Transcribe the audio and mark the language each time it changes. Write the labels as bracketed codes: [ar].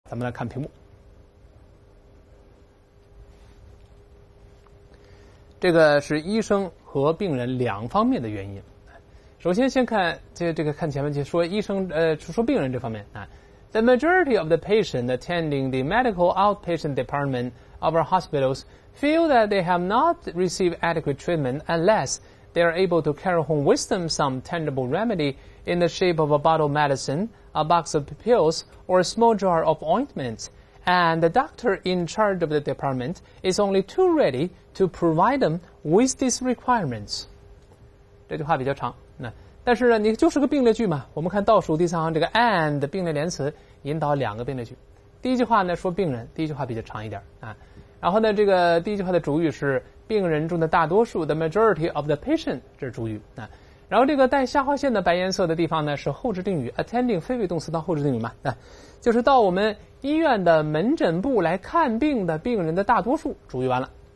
[zh] 咱们来看屏幕，这个是医生和病人两方面的原因。首先先看这个看前面去说医生说病人这方面啊。 [en] The majority of the patients attending the medical outpatient department of our hospitals feel that they have not received adequate treatment unless they are able to carry home with them some tangible remedy in the shape of a bottle of medicine, a box of pills, or a small jar of ointment. And the doctor in charge of the department is only too ready to provide them with these requirements. [zh] 这句话比较长。但是呢，你就是个并列句嘛。我们看倒数第三行这个 and 并列连词引导两个并列句。第一句话呢说病人，第一句话比较长一点啊。然后呢，这个第一句话的主语是病人中的大多数 ， [en] the majority of the patient， [zh] 这是主语啊。然后这个带下划线的白颜色的地方呢是后置定语 ，attending 非谓动词当后置定语嘛啊，就是到我们医院的门诊部来看病的病人的大多数，主语完了。